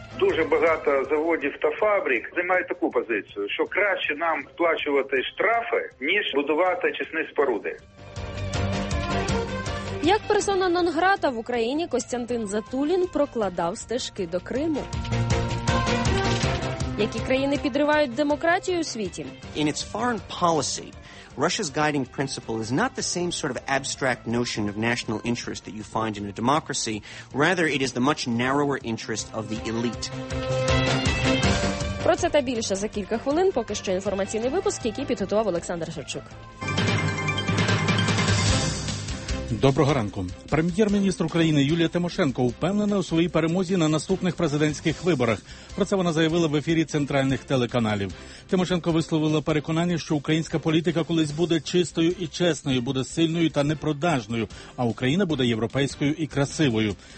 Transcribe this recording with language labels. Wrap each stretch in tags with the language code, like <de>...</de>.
<uk>Дуже багато заводів та фабрик займають таку позицію, що краще нам сплачувати штрафи, ніж будувати очисні споруди. Як персона нон-грата в Україні Костянтин Затулін прокладав стежки до Криму? Які країни підривають демократію у світі?</uk> <en>In its foreign policy, Russia's guiding principle is not the same sort of abstract notion of national interest that you find in a democracy. Rather, it is the much narrower interest of the elite.</en> <uk>Про це та більше за кілька хвилин. Поки що інформаційний випуск, який підготував Олександр Шевчук. Доброго ранку. Прем'єр-міністр України Юлія Тимошенко впевнена у своїй перемозі на наступних президентських виборах. Про це вона заявила в ефірі центральних телеканалів. Тимошенко висловила переконання, що українська політика колись буде чистою і чесною, буде сильною та непродажною, а Україна буде європейською і красивою.</uk>